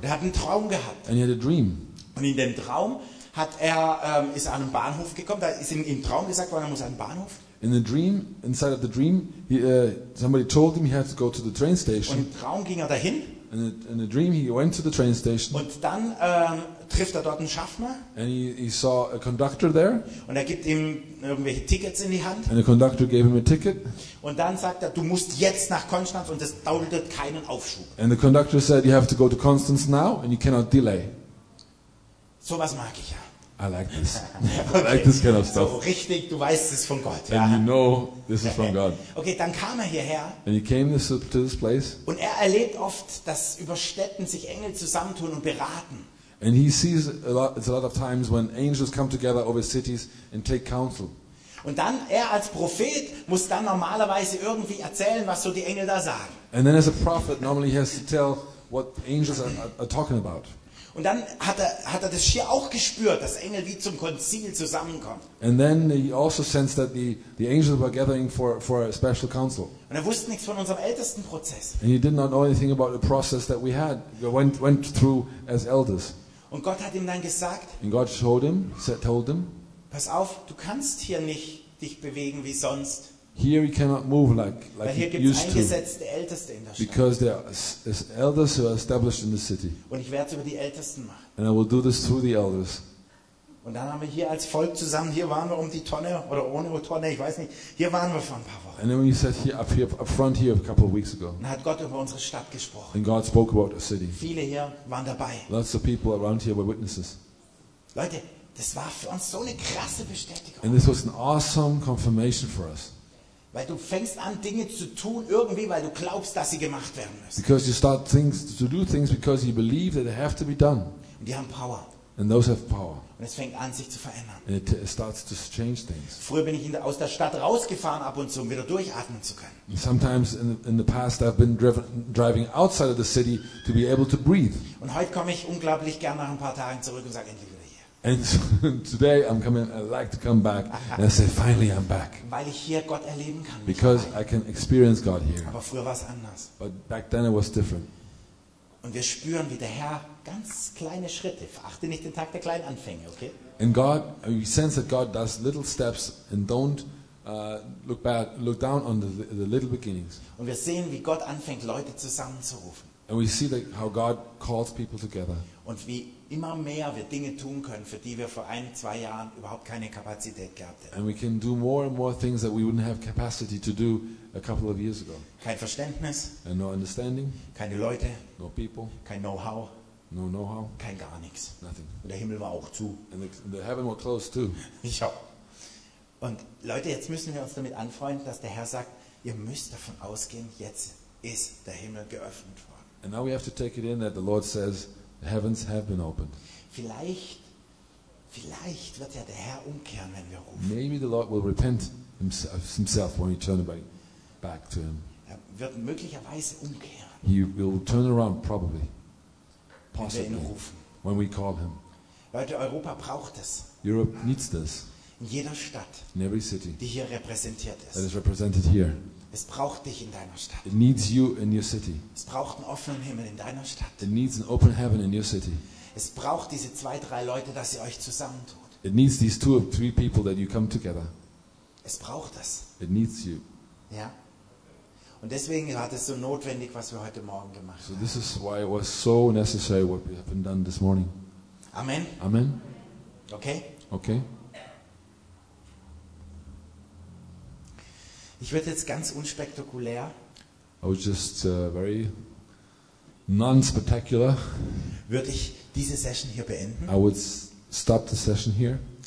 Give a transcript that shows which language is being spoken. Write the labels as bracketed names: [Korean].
[German] Der hat einen Traum gehabt. [English] And he had a dream. [German] Und in dem Traum hat er ist an einen Bahnhof gekommen. Da ist ihm im Traum gesagt worden, er muss an den Bahnhof. [English] In the dream, inside of the dream, somebody told him he had to go to the train station. [German] Und im Traum ging er dahin. [English] In the dream, he went to the train station. [German] Und dann trifft er dort einen Schaffner. [English] And he saw a conductor there. [German] Und er gibt ihm irgendwelche Tickets in die Hand. [English] And the conductor gave him a ticket. [German] Und dann sagt er, du musst jetzt nach Konstanz und es duldet keinen Aufschub. [English] And the conductor said, you have to go to Konstanz now and you cannot delay. [German] So was mag ich ja. [English] I like this. Okay. I like this kind of stuff. [German] So richtig, du weißt es von Gott. [English] And [German] ja. [English] You know this is from God. [German] Okay, dann kam er hierher. [English] And he came to this place. [German] Und er erlebt oft, dass über Städten sich Engel zusammentun und beraten. [English] And he sees a lot of times when angels come together over cities and take counsel. [German] Und dann er als Prophet muss dann normalerweise irgendwie erzählen, was so die Engel da sagen. [English] And then as a prophet normally he has to tell what angels are talking about. [German] Und dann hat er das hier auch gespürt, dass Engel wie zum Konzil zusammenkommen. [English] And then he also sensed that the angels were gathering for a special council. [German] Und er wusste nichts von unserem ältesten Prozess. [English] And he did not know anything about the process that we had went through as elders. [German] Und Gott hat ihm dann gesagt. [English] And God showed him, said, told him. [German] Pass auf, du kannst hier nicht dich bewegen wie sonst. [English] Here he cannot move like he used to. [German] Eingesetzte Älteste in der Stadt. [English] Because there is elders who are established in the city. [German] Und ich werde es über die Ältesten machen. [English] And I will do this through the elders. [German] Und dann haben wir hier als Volk zusammen, hier waren wir um die Tonne oder ohne Tonne, ich weiß nicht, hier waren wir vor ein paar Wochen. [English] And then we sat here up here up front here a couple of weeks ago. [German] Dann hat Gott über unsere Stadt gesprochen. [English] And God spoke about the city. [German] Viele hier waren dabei. [English] Lots of people around here were witnesses. [German] Leute, das war für uns so eine krasse Bestätigung. [English] And this was an awesome confirmation for us. [German] Weil du fängst an, Dinge zu tun, irgendwie, weil du glaubst, dass sie gemacht werden müssen. [English] Because you start things to do things because you believe that they have to be done. [German] Und die haben Power. [English] And those have power. [German] Und es fängt an, sich zu verändern. [English] And it starts to change things. [German] Früher bin ich aus der Stadt rausgefahren, ab und zu, um wieder durchatmen zu können. [English] Sometimes in the past I've been driving outside of the city to be able to breathe. [German] Und heute komme ich unglaublich gern nach ein paar Tagen zurück und sage endlich wieder. [English] And so, today I'm coming. I like to come back and I say, finally I'm back. [German] Weil ich hier Gott erleben kann. [English] Because I can experience God here. [German] Aber früher war es anders. [English] But back then it was different. [German] Und wir spüren, wie der Herr ganz kleine Schritte. Verachte nicht den Tag der kleinen Anfänge, okay? [English] And God, we sense that God does little steps and don't look down on the little beginnings. [German] Und wir sehen, wie Gott anfängt, Leute zusammenzurufen. [English] And we see how God calls people together. [German] Und wie immer mehr wir Dinge tun können, für die wir vor ein, zwei Jahren überhaupt keine Kapazität gehabt hätten. [English] And we can do more and more things that we wouldn't have capacity to do a couple of years ago. [German] Kein Verständnis. [English] And no understanding. [German] Keine Leute. [English] No people. [German] Kein Know-how. [English] No know-how. [German] Kein gar nichts. [English] Nothing. [German] Und der Himmel war auch zu. [English] And the heaven were closed too. [German] Ja. Und Leute, jetzt müssen wir uns damit anfreunden, dass der Herr sagt, ihr müsst davon ausgehen, jetzt ist der Himmel geöffnet worden. [English] And now we have to take it in that the Lord says, heavens have been opened. [German] Vielleicht wird ja der Herr umkehren, wenn wir rufen. [English] Maybe the Lord will repent himself when we turn back to him. [German] Er wird möglicherweise umkehren. [English] He will turn around probably. Possibly. [German] Wenn wir ihn rufen. [English] When we call him. [German] Leute, Europa braucht es. [English] Europe needs this. [German] In jeder Stadt. [English] In every city. [German] Die hier repräsentiert ist. [English] That is represented here. [German] Es braucht dich in deiner Stadt. [English] It needs you in your city. [German] Es braucht einen offenen Himmel in deiner Stadt. [English] It needs an open heaven in your city. [German] Es braucht diese zwei, drei Leute, dass ihr euch zusammentut. [English] It needs these two or three people that you come together. [German] Es braucht das. [English] It needs you. [German] Ja. Und deswegen war das so notwendig, was wir heute Morgen gemacht haben. [English] So this is why it was so necessary what we have been done this morning. Amen. Amen. Okay. Okay. [German] Ich werde jetzt ganz unspektakulär. [English] I was just very non-spectacular. [German] Würde ich diese Session hier beenden? [English] I would stop the session here.